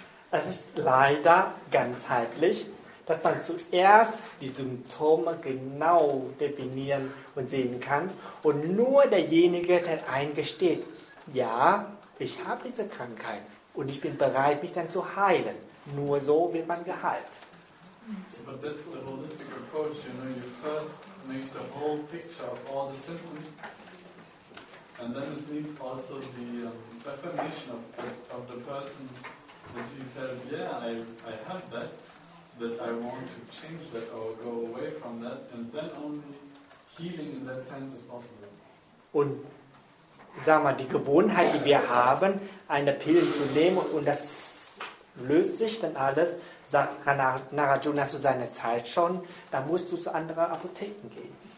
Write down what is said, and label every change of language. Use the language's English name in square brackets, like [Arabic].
[German] Es ist leider ganzheitlich, dass man zuerst die Symptome genau definieren und sehen kann und nur derjenige, der eingesteht, ja, ich habe diese Krankheit und ich bin bereit, mich dann zu heilen. Nur so wird man geheilt. [English] So, but that's the holistic approach, you know, you first make the whole picture of all the symptoms and then it needs also the affirmation of the person. And she says, yeah, I have that, but I want to change that or go away from that, and then only healing in that sense is possible. [German] Und sag mal, die Gewohnheit, die wir haben, eine Pille zu nehmen und das löst sich dann alles, sagt Narajuna zu seiner Zeit schon, da musst du zu anderen Apotheken gehen.